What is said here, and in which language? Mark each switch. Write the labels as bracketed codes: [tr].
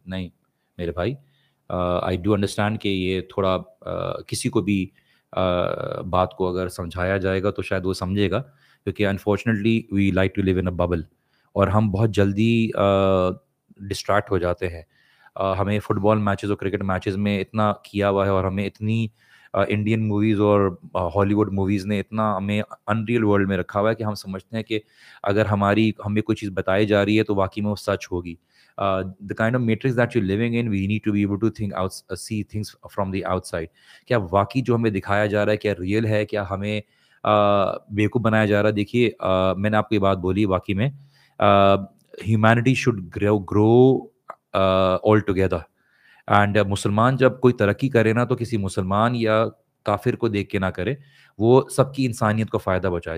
[ur] نہیں میرے بھائی, [en] I do understand [ur] کہ یہ تھوڑا کسی کو بھی بات کو اگر سمجھایا جائے گا تو شاید وہ سمجھے گا, کیونکہ [en] unfortunately we like to live in a bubble [ur] اور ہم بہت جلدی ڈسٹریکٹ ہو جاتے ہیں. ہمیں فٹ بال میچز اور کرکٹ میچز میں اتنا کیا ہوا ہے اور ہمیں اتنی انڈین موویز اور ہالی ووڈ موویز نے اتنا ہمیں ان ریئل ورلڈ میں رکھا ہوا ہے کہ ہم سمجھتے ہیں کہ اگر ہمیں کوئی چیز بتائی جا رہی ہے تو واقعی میں وہ سچ ہوگی. [en] The kind of matrix that you living in, we need to be able to think out, see things from the outside. [ur] کیا واقعی جو ہمیں دکھایا جا رہا ہے کیا ریئل ہے, کیا ہمیں بیوقوف بنایا جا رہا ہے؟ دیکھیے میں نے آپ کو یہ بات بولی, واقعی میں [en] Humanity should grow all together. [ur] And مسلمان جب کوئی ترقی کرے نا تو کسی مسلمان یا کافر کو دیکھ کے نہ کرے, وہ سب کی انسانیت کو فائدہ پہنچائے.